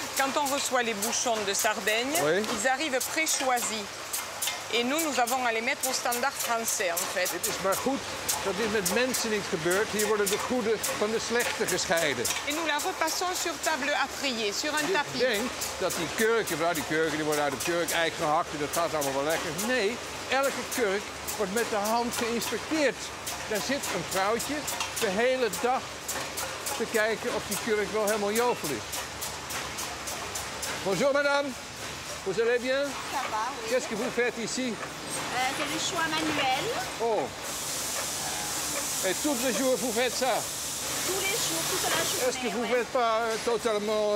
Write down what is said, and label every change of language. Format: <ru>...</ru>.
<fr>Quand on reçoit les bouchons de Sardaigne, oui, ils arrivent pré-choisis. Et nous avons à les mettre au standaard français, en fait.</fr> <nl>Het is maar goed dat dit met mensen niet gebeurt. Hier worden de goede van de slechte gescheiden.</nl> <fr>Et nous la repassons sur table à prier, sur un tapis.</fr> <nl>Je denkt dat die kurken, die worden uit de kurk ei gehakt en dat gaat allemaal wel lekker. Nee. Elke kurk wordt met de hand geïnspecteerd. Daar zit een vrouwtje de hele dag te kijken of die kurk wel helemaal jovel is.</nl> <fr>Bonjour, madame. Vous allez bien? Ça va, oui. Qu'est-ce que vous faites ici? C'est le choix manuel. Oh. Et tous les jours, vous faites ça? Tous les jours, toute la journée. Est-ce que vous ne faites pas totalement...</fr>